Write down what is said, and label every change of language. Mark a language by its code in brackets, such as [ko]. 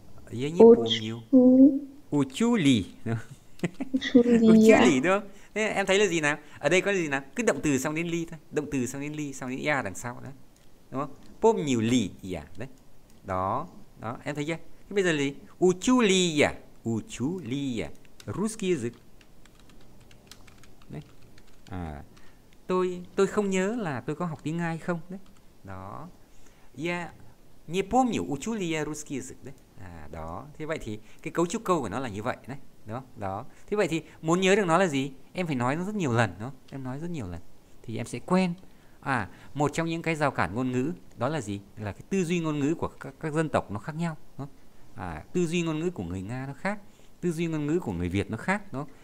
[ru] Я не помню. Учу ли? Учу [vi] ли, đúng không? Em thấy là gì nào? Ở đây có gì nào? Cứ động từ xong đến ly thôi, động từ xong đến ly, xong đến ya đằng sau đó. Đúng không? [ru] Помню ли я, [vi] đấy, đó, đó, em thấy chưa? Thế bây giờ là gì? [ru] Учу ли я, учу ли я, русский язык, đấy. [vi] À, tôi không nhớ là tôi có học tiếng Nga hay không, đấy, đó. [ru] Я не помню, учу ли я русский язык, đấy. [vi] À, đó. Thế vậy thì cái cấu trúc câu của nó là như vậy, đấy, đúng không? Đó. Thế vậy thì muốn nhớ được nó là gì? Em phải nói nó rất nhiều lần, đúng không? Em nói rất nhiều lần, thì em sẽ quen. À, một trong những cái rào cản ngôn ngữ đó là gì? Là cái tư duy ngôn ngữ của các dân tộc nó khác nhau. Đúng không? À, tư duy ngôn ngữ của người Nga nó khác, tư duy ngôn ngữ của người Việt nó khác, đúng không?